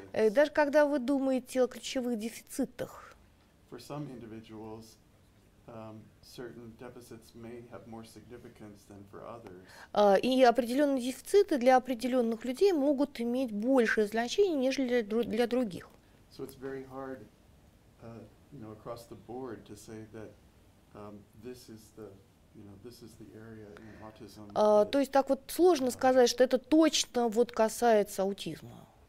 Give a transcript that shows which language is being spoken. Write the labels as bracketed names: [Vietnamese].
[Russian] Даже когда вы думаете о ключевых дефицитах, [English] for some individuals, certain deficits may have more significance than for others. [Russian] И определенные дефициты для определенных людей могут иметь большее значение, нежели для других. [English] So it's very hard, you know, across the board to say that this is the, you know, this is the area in autism. [Russian] То есть так вот сложно сказать, что это точно вот касается аутизма.